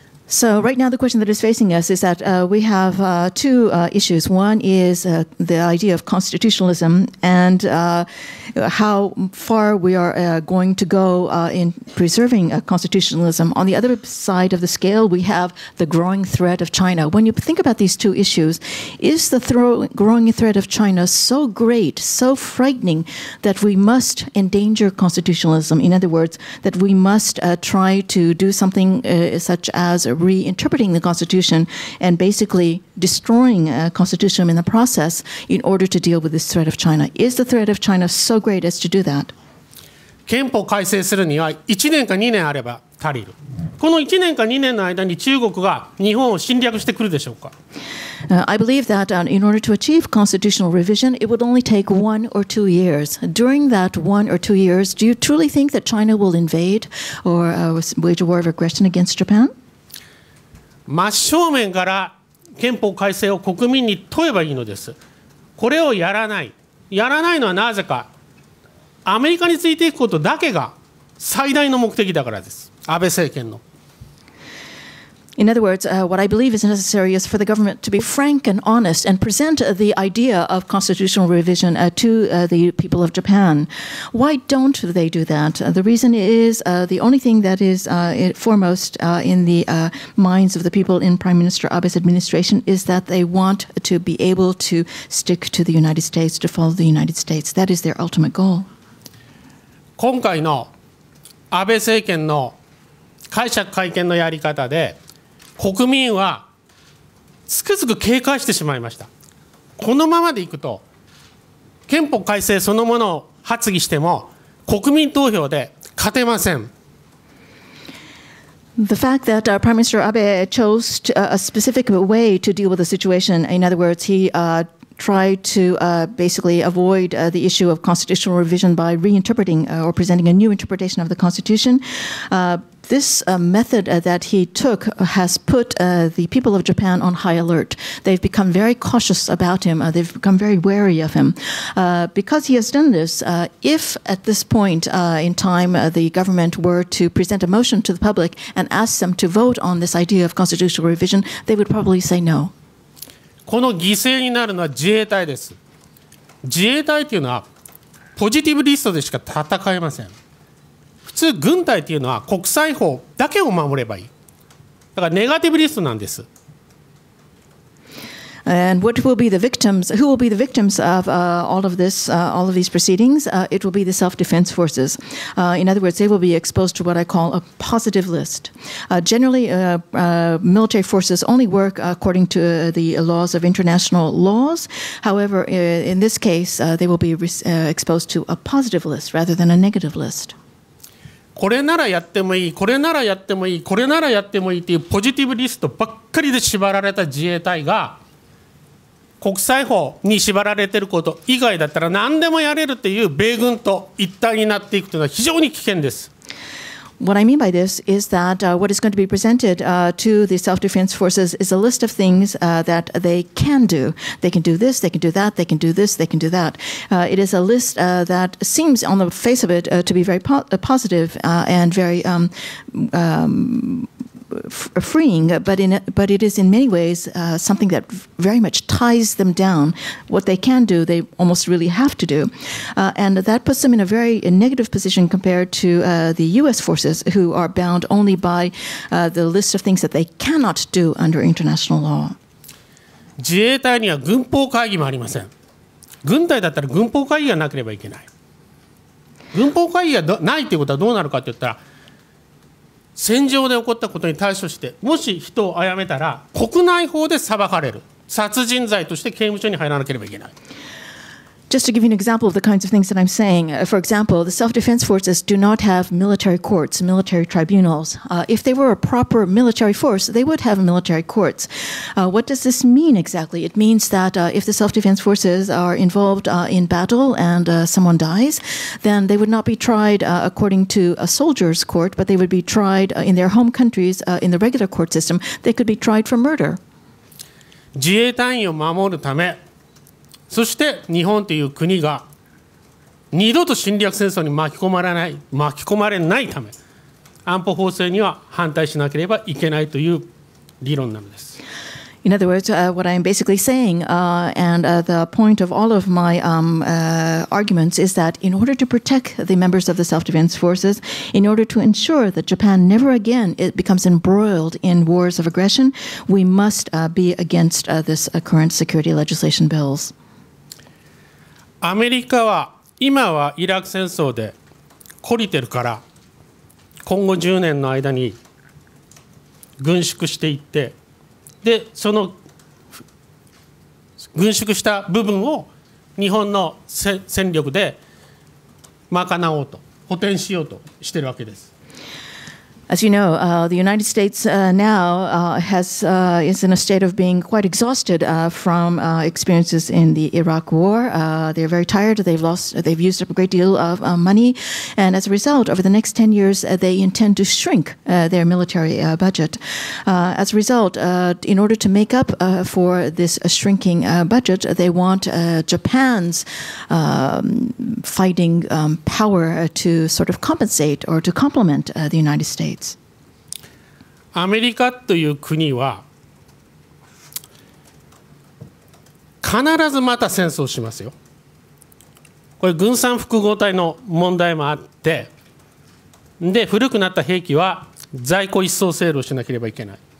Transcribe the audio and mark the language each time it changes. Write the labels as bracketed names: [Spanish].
[English] So right now the question that is facing us is that we have two issues. One is the idea of constitutionalism and how far we are going to go in preserving constitutionalism. On the other side of the scale, we have the growing threat of China. When you think about these two issues, is the growing threat of China so great, so frightening that we must endanger constitutionalism? In other words, that we must try to do something such as a reinterpreting the constitution and basically destroying constitutionalism in the process in order to deal with this threat of China. Is the threat of China so great as to do that? [Japanese] 憲法改正するには1年か2年あれば足りる。この1年か2年の間に中国が日本を侵略してくるでしょうか。 [English] I believe that in order to achieve constitutional revision, it would only take one or two years. During that one or two years, do you truly think that China will invade or wage a war of aggression against Japan? [Japanese] 真正面から憲法改正を国民に問えばいいのです。これをやらない。やらないのはなぜか、アメリカについていくことだけが最大の目的だからです。安倍政権の。 [English] In other words, what I believe is necessary is for the government to be frank and honest and present the idea of constitutional revision to the people of Japan. Why don't they do that? The reason is the only thing that is foremost in the minds of the people in Prime Minister Abe's administration is that they want to be able to stick to the United States, to follow the United States. That is their ultimate goal. [Japanese] 今回の安倍政権の解釈改憲のやり方で国民はつくづく警戒してしまいました。このままでいくと憲法改正そのものを発議しても国民投票で勝てません。 [English] The fact that Prime Minister Abe chose to, a specific way to deal with the situation, in other words, he tried to basically avoid the issue of constitutional revision by reinterpreting or presenting a new interpretation of the Constitution. This method that he took has put the people of Japan on high alert. They've become very cautious about him. They've become very wary of him. Because he has done this, if at this point in time the government were to present a motion to the public and ask them to vote on this idea of constitutional revision, they would probably say no. [Japanese] この犠牲になるのは自衛隊です。自衛隊というのはポジティブリストでしか戦えません。普通軍隊というのは国際法だけを守ればいい。だからネガティブリストなんです。 [English] And what will be the victims? Who will be the victims of all of this, all of these proceedings? It will be the self-defense forces. In other words, they will be exposed to what I call a positive list. Generally, military forces only work according to the laws of international laws. However, in this case, they will be exposed to a positive list rather than a negative list. [Japanese] これならやってもいい、これならやってもいい、これならやってもいいっていうポジティブリストばっかりで縛られた自衛隊が国際法に縛られていること以外だったら何でもやれるという米軍と一体になっていくというのは非常に危険です。 [English] What I mean by this is that what is going to be presented to the self-defense forces is a list of things that they can do. They can do this, they can do that, they can do this, they can do that. It is a list that seems on the face of it to be very positive and very freeing, but it is in many ways something that very much ties them down. What they can do, they almost really have to do. And that puts them in a very negative position compared to the U.S. forces who are bound only by the list of things that they cannot do under international law. [Japanese] 自衛隊には軍法会議もありません。軍隊だったら軍法会議がなければいけない。軍法会議がないということはどうなるかといったら、戦場で起こったことに対処して、もし人を殺めたら、国内法で裁かれる。殺人罪として刑務所に入らなければいけない。 [English] Just to give you an example of the kinds of things that I'm saying, for example, the self-defense forces do not have military courts, military tribunals. If they were a proper military force, they would have military courts. What does this mean exactly? It means that if the self-defense forces are involved in battle and someone dies, then they would not be tried according to a soldier's court, but they would be tried in their home countries in the regular court system. They could be tried for murder. [Japanese] 自衛隊員を守るため、そして日本という国が二度と侵略戦争に巻き込まれないため、安保法制には反対しなければいけないという理論なのです。 [English] In other words, what I'm basically saying, and the point of all of my arguments is that in order to protect the members of the self-defense forces, in order to ensure that Japan never again becomes embroiled in wars of aggression, we must be against this current security legislation bills. [Japanese] アメリカは今はイラク戦争で懲りてるから今後10年の間に軍縮していって、でその軍縮した部分を日本の戦力で賄おうと補填しようとしてるわけです。 [English] As you know, the United States now is in a state of being quite exhausted from experiences in the Iraq War. They're very tired. They've used up a great deal of money. And as a result, over the next 10 years, they intend to shrink their military budget. As a result, in order to make up for this shrinking budget, they want Japan's fighting power to sort of compensate or to complement the United States. [Japanese] アメリカという国は必ずまた戦争しますよ。これ軍産複合体の問題もあって、で古くなった兵器は在庫一掃セールをしなければいけない。